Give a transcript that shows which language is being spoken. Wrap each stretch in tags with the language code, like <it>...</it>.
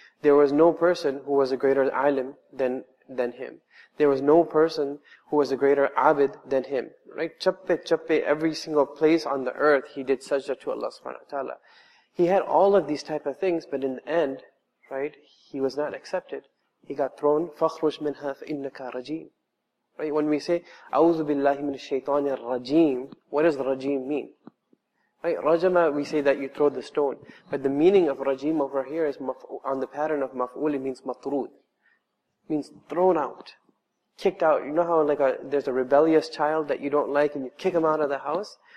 <en>There was no person who was a greater alim than him. There was no person who was a greater abid than him. Right? Chappe, chappe, every single place on the earth, he did sajda to Allah subhanahu wa ta'ala. He had all of these type of things, but in the end, right, he was not accepted. He got thrown,</en> <ar>فَخْرُجْ مِنْهَا فَإِنَّكَ رَجِيمٌ.</ar> <en>Right? When we say,</en> <ar>أَعُوذُ بِاللَّهِ مِنَ الشَّيْطَانِ الرَّجِيمِ,</ar> <en>what does rajim mean? Right? Rajama, we say that you throw the stone. But the meaning of rajim over here is on the pattern of maf'ul, it means matrud. Means thrown out. Kicked out. You know how like there's a rebellious child that you don't like and you kick him out of the house?</en>